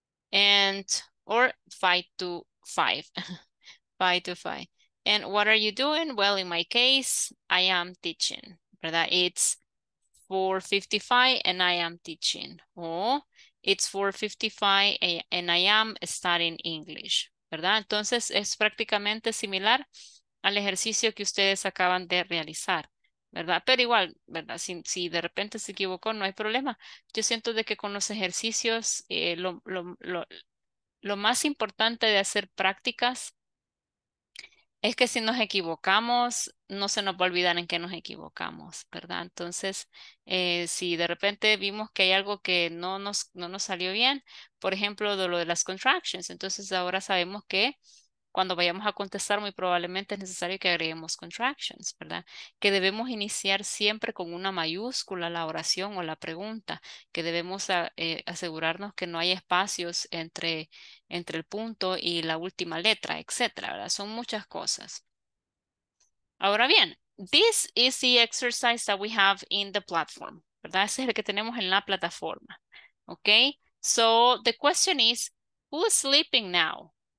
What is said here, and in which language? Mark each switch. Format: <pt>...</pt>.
<en>And, or 5 to 5, 5 to 5. And what are you doing? Well, in my case, I am teaching. That it's 4:55 and I am teaching, or it's 4:55 and I am studying English,</en> <es>¿verdad? Entonces es prácticamente similar al ejercicio que ustedes acaban de realizar, ¿verdad? Pero igual, ¿verdad? Si de repente se equivocó, no hay problema. Yo siento de que con los ejercicios lo más importante de hacer prácticas es que si nos equivocamos, no se nos va a olvidar en qué nos equivocamos, ¿verdad? Entonces, si de repente vimos que hay algo que no nos salió bien, por ejemplo, lo de las contractions, entonces ahora sabemos que cuando vayamos a contestar, muy probablemente es necesario que agreguemos contractions, ¿verdad? Que debemos iniciar siempre con una mayúscula la oración o la pregunta, que debemos asegurarnos que no hay espacios entre el punto y la última letra, etcétera, ¿verdad? Son muchas cosas. Ahora bien,</es> <en>this is the exercise that we have in the platform,</en> <es>¿verdad? Ese es el que tenemos en la plataforma, ¿ok?</es> <en>So, the question is, who is sleeping now?</en>